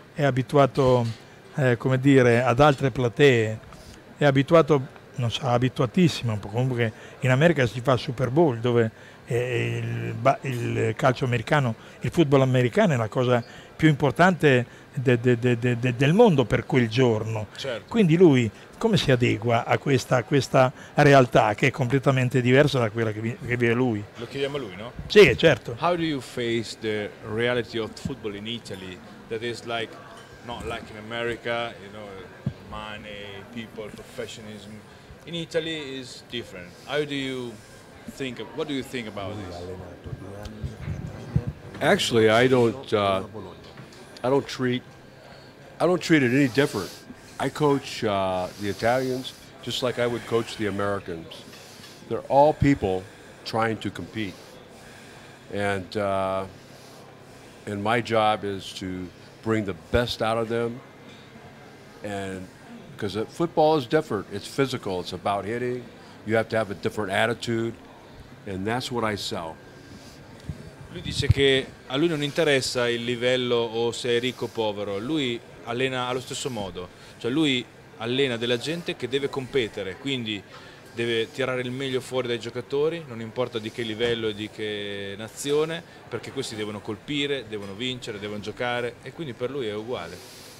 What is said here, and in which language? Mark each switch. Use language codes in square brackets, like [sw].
[it] È abituato, come dire, ad altre platee, è abituato, non so, abituatissimo, comunque in America si fa Super Bowl, dove il calcio americano, il football americano è la cosa più importante del mondo per quel giorno. Certo. Quindi lui come si adegua a questa realtà che è completamente diversa da quella che vive lui? Lo chiediamo a lui, no? Sì, certo. [en] How do you face the reality of football in Italy that is like not like in America, you know, money, people, professionalism. In Italy is different. How do you think of, what do you think about this? Actually, I don't treat it any different. I coach the Italians just like I would coach the Americans. They're all people trying to compete, and my job is to bring the best out of them. And because football is different, it's physical. It's about hitting. You have to have a different attitude, and that's what I sell. [it] Lui dice che a lui non interessa il livello o se è ricco o povero, lui allena allo stesso modo, cioè lui allena della gente che deve competere, quindi deve tirare il meglio fuori dai giocatori, non importa di che livello e di che nazione, perché questi devono colpire, devono vincere, devono giocare, e quindi per lui è uguale.